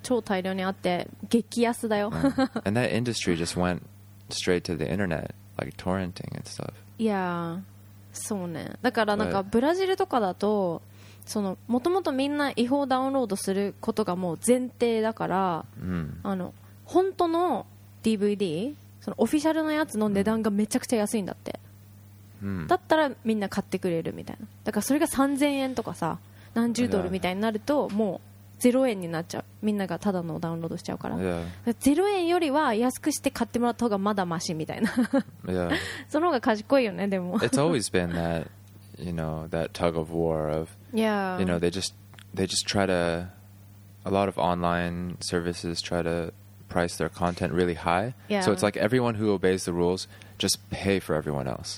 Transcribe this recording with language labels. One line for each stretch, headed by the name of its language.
Japanese: 超大量にあって激安だよ。
English: And that industry just went straight to the internet, like torrenting and stuff. Yeah.
Japanese: そうね、だからなんかブラジルとかだと、そのもともとみんな違法ダウンロードすることがもう前提だから、あの本当の DVD、 そのオフィシャルのやつの値段がめちゃくちゃ安いんだって、だったらみんな買ってくれるみたいな。だからそれが3000円とかさ、何十ドルみたいになるともう0円になっちゃう。みんながただのダウンロードしちゃうから、0円よりは安くして買ってもらった方がまだマシみたいな。その方が賢いよね。でも
English: It's always been that, you know, that tug of war of, you know, they just try to, a lot of online services try to price their content really high. So it's like everyone who obeys the rules just pay for everyone else.